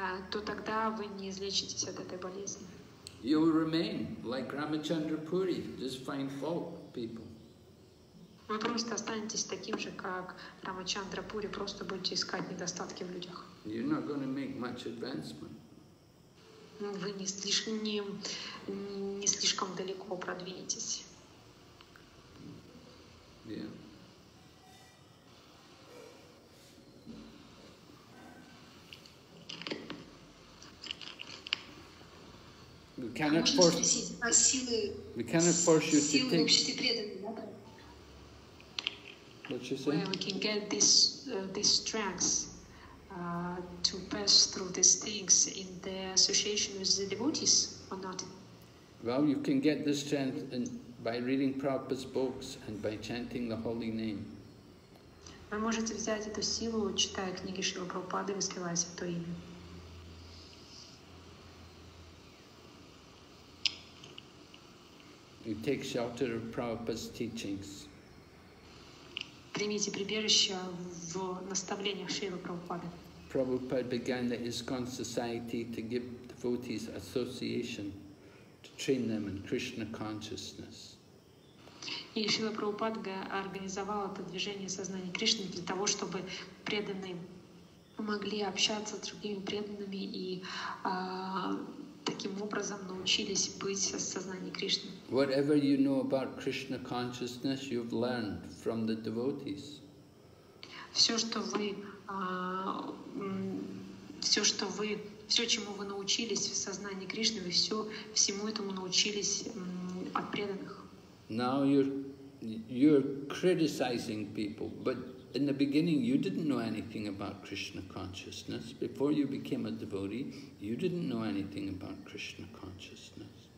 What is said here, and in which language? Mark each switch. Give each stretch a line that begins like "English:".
Russian: То тогда вы не излечитесь от этой болезни.
English: You will remain like Ramachandra Puri, just find fault people.
Russian: Вы просто останетесь таким же, как Рамачандра Пури, просто будете искать недостатки в людях.
English: You're not going to make much advancement.
Russian: Вы не слишком далеко продвинетесь.
English: Yeah. We cannot force.
Russian: Спросить,
English: we cannot force you to take. Where we can get this strength to pass through these things in the association with the devotees or not? Well, you can get this strength by reading Prabhupada's books and by chanting the holy name.
Russian: Вы можете взять эту силу, читая книги Шрилы Прабхупады, воспеваясь в то имя.
English: You take shelter of Prabhupada's teachings.
Russian: Примите прибежище в наставлениях Шрилы Прабхупады.
English: Prabhupada began the ISKCON society to give devotees association to train them in Krishna consciousness.
Russian: И Шрила Прабхупада организовал это движение сознания Кришны для того, чтобы преданные могли общаться с другими преданными и таким образом научились быть в сознании Кришны.
English: Whatever you know about Krishna consciousness, you've learned from the devotees.
Russian: Все, чему вы научились в сознании Кришны, вы всему этому научились от преданных.
English: Now you're criticizing people, but in the beginning, you didn't know anything about Krishna consciousness. Before you became a devotee, you didn't know anything about Krishna consciousness.